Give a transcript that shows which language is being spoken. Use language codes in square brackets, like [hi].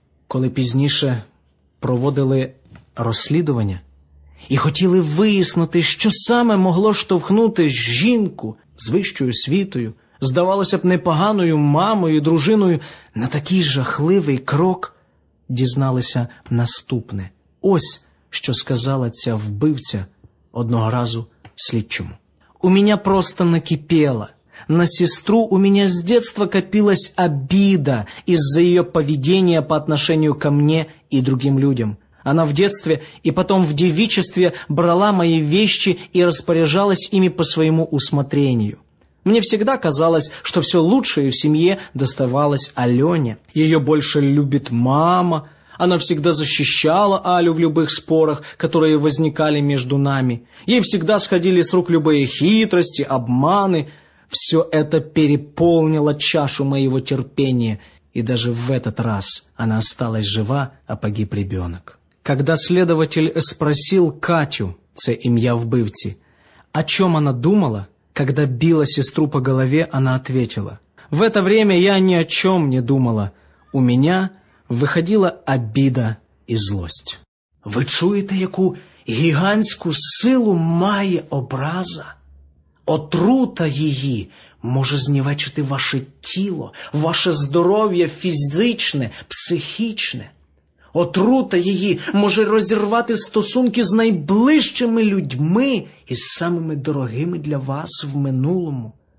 [uk] Коли пізніше проводили розслідування і хотіли вияснити, що саме могло штовхнути жінку з вищою освітою, здавалося б, непоганою мамою, дружиною, на такий жахливий крок, дізналися наступне. Ось, що сказала ця вбивця одного разу слідчому. «У мене просто накипіло. [ru] На сестру у меня с детства копилась обида из-за ее поведения по отношению ко мне и другим людям. Она в детстве и потом в девичестве брала мои вещи и распоряжалась ими по своему усмотрению. Мне всегда казалось, что все лучшее в семье доставалось Алене. Ее больше любит мама. Она всегда защищала Алю в любых спорах, которые возникали между нами. Ей всегда сходили с рук любые хитрости, обманы. Все это переполнило чашу моего терпения, и даже в этот раз она осталась жива, а погиб ребенок». Когда следователь спросил Катю, [uk] це имя вбивці, [ru] о чем она думала, когда била сестру по голове, она ответила: «В это время я ни о чем не думала. У меня выходила обида и злость». [uk] Вы чуете, яку гигантську силу має образа? Отрута її може знівечити ваше тіло, ваше здоров'я фізичне, психічне. Отрута її може розірвати стосунки з найближчими людьми і з самими дорогими для вас в минулому.